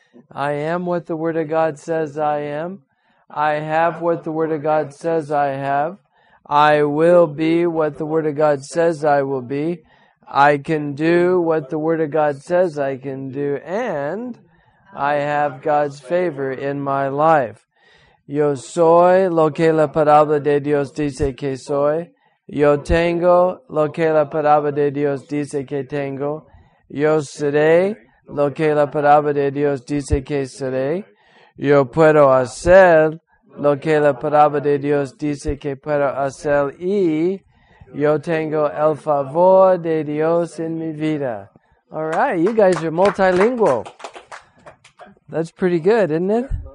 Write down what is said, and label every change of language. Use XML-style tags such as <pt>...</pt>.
<en>I am what the Word of God says I am. I have what the Word of God says I have. I will be what the Word of God says I will be. I can do what the Word of God says I can do. And I have God's favor in my life.</en> <es>Yo soy lo que la palabra de Dios dice que soy. Yo tengo lo que la palabra de Dios dice que tengo. Yo seré lo que la palabra de Dios dice que seré. Yo puedo hacer lo que la palabra de Dios dice que puedo hacer. Y yo tengo el favor de Dios en mi vida.</es> <en>All right, you guys are multilingual. That's pretty good, isn't it?</en>